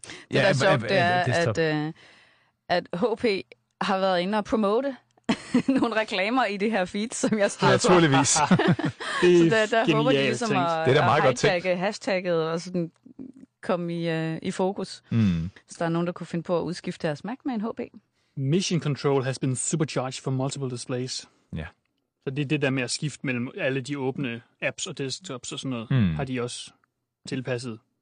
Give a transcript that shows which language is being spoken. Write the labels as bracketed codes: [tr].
[da] Det er at HP har været inde og promote nogle reklamer i det her feed, som jeg støtter. Naturligvis. Det er genialt. Håber de ligesom at hashtagge hashtagget og sådan komme i fokus. Mm. Så der er nogen, der kunne finde på at udskifte deres Mac med en HP. [en] Mission control has been supercharged for multiple displays. [da] Ja. Så det er det der med at skifte mellem alle de åbne apps og desktops og sådan noget, har de også tilpasset.